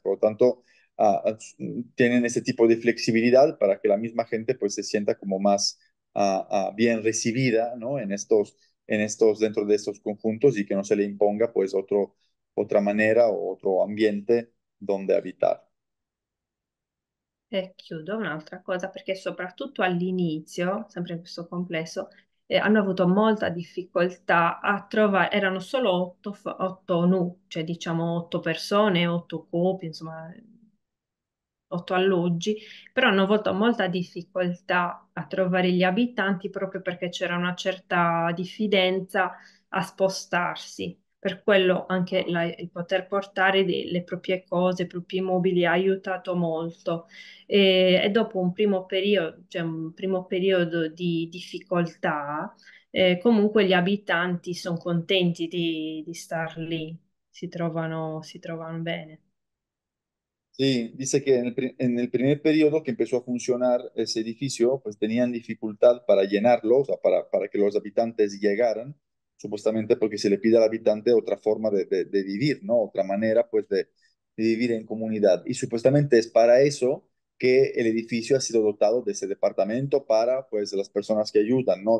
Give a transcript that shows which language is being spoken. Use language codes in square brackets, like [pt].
[es] Por lo tanto, tienen ese tipo de flexibilidad para que la misma gente pues, se sienta como más bien recibida, ¿no? Dentro de estos conjuntos y que no se le imponga pues, otra manera o otro ambiente donde habitar. [it] E chiudo un'altra cosa perché soprattutto all'inizio, sempre in questo complesso, hanno avuto molta difficoltà a trovare, erano solo 8 nu, cioè diciamo 8 persone, 8 coppie, insomma 8 alloggi, però hanno avuto molta difficoltà a trovare gli abitanti proprio perché c'era una certa diffidenza a spostarsi. Per quello anche il poter portare le proprie cose, i propri mobili ha aiutato molto. E dopo un primo periodo, cioè un primo periodo di difficoltà, comunque gli abitanti sono contenti di star lì, si trovano bene. [es] Sí, dice que en el primer periodo que empezó a funcionar ese edificio, pues tenían dificultad para llenarlo, o sea, para que los habitantes llegaran, supuestamente porque se le pide al habitante otra forma de vivir, ¿no? Otra manera, pues, de vivir en comunidad. Y supuestamente es para eso que el edificio ha sido dotado de ese departamento para, pues, las personas que ayudan, ¿no?